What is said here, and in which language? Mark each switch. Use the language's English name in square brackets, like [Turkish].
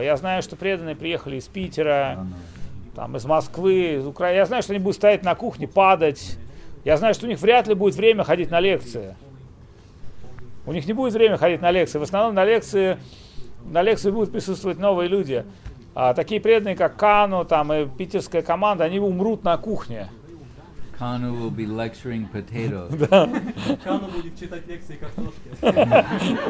[Russian] Я знаю, что преданные приехали из Питера, там, из Москвы, из Украины. Я знаю, что они будут стоять на кухне, падать. Я знаю, что у них вряд ли будет время ходить на лекции. У них не будет времени ходить на лекции. В основном на лекции будут присутствовать новые люди. А такие преданные, как Кану, там, и питерская команда, они умрут на кухне. [English] Кану will be lecturing potatoes. [Russian] Кану будет читать лекции картошки.